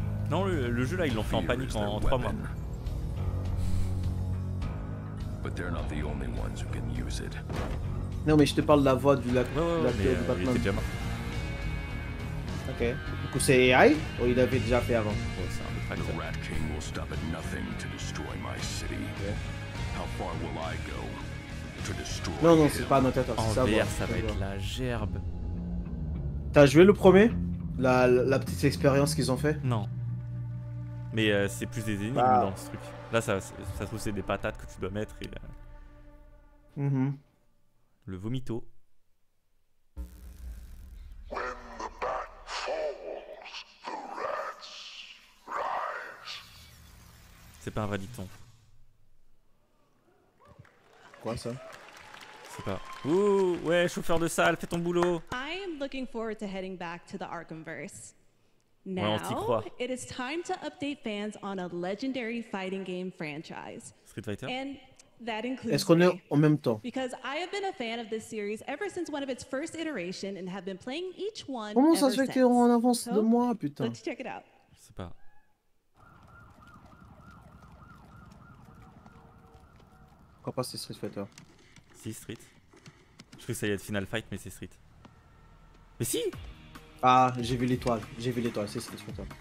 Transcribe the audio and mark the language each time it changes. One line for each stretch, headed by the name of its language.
French: Non, le jeu là, ils l'ont fait en panique en 3 mois.
English: But they're not the only ones who can use it.
French: Non mais je te parle de la voix du lac de Batman. Ok. Du coup c'est AI ou il avait déjà fait avant?
English: The Rat King will stop at nothing to destroy my city. How far will I go to destroy him?
French: Non, c'est pas notre attaque, c'est ça. En VR, ça va être la gerbe. T'as joué le premier? La petite expérience qu'ils ont fait? Non. Mais c'est plus des énigmes dans ce truc. Là, ça se trouve, c'est des patates que tu dois mettre et... Le vomito.
English: When the bat falls, the rats rise.
French: C'est pas un vrai dicton. Quoi, ça? C'est pas... Ouh, ouais, chauffeur de salle, fais ton boulot.
English: I am looking forward to heading back to the Arkhamverse. Now, it is time to update fans on a legendary fighting game franchise. Street Fighter. And that includes
French: Est-ce qu'on est en même temps?
English: Because I have been a fan of this series ever since one of its first iteration and have been playing each one
French: Comment
English: ever
French: ça se fait qu'ils sont en avance de moi, putain?
English: Let's check it out.
French: Je sais pas. Pourquoi pas c'est Street Fighter? Si, Street. Je crois que ça y est, Final Fight, mais c'est Street. Mais si! Ah, j'ai vu l'étoile, c'est Street Fighter.